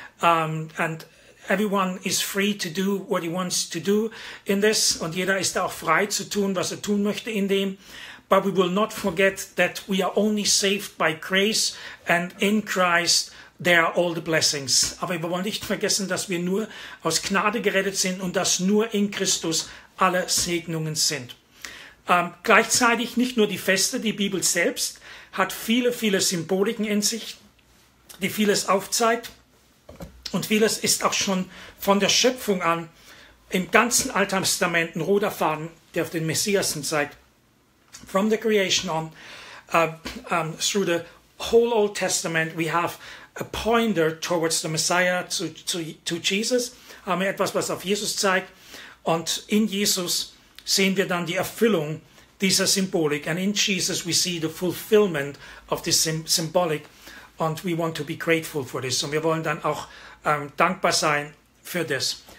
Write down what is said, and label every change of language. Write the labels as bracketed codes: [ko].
[en] And everyone is free to do what he wants to do in this. [de] Und jeder ist auch frei zu tun, was tun möchte in dem. [en] But we will not forget that we are only saved by grace and in Christ there are all the blessings. [de] Aber wir wollen nicht vergessen, dass wir nur aus Gnade gerettet sind und dass nur in Christus alle Segnungen sind. Gleichzeitig nicht nur die Feste, die Bibel selbst hat viele, viele Symboliken in sich, die vieles aufzeigt. Und vieles ist auch schon von der Schöpfung an im ganzen Alten Testament ein roter Faden, der auf den Messias zeigt. [en] From the creation on, through the whole Old Testament, we have a pointer towards the Messiah, to Jesus. [de] Haben wir etwas, was auf Jesus zeigt. Und in Jesus sehen wir dann die Erfüllung dieser Symbolik. [en] And in Jesus we see the fulfillment of this symbolic. And we want to be grateful for this. [de] Und wir wollen dann auch dankbar sein für das.